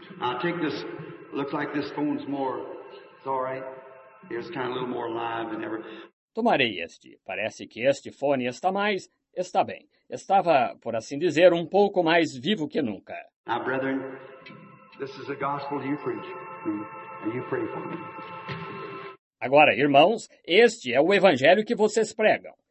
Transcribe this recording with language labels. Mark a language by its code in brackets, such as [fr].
[en] I take this, looks like this phone's more, it's all right. It's kind of a little more alive than ever. [pt] Tomarei este. Parece que este fone está mais, está bem. Estava, por assim dizer, um pouco mais vivo que nunca. [en] Now, brethren, this is a gospel you preach. And you pray for me. [pt] Agora, irmãos, este é o evangelho que vocês pregam.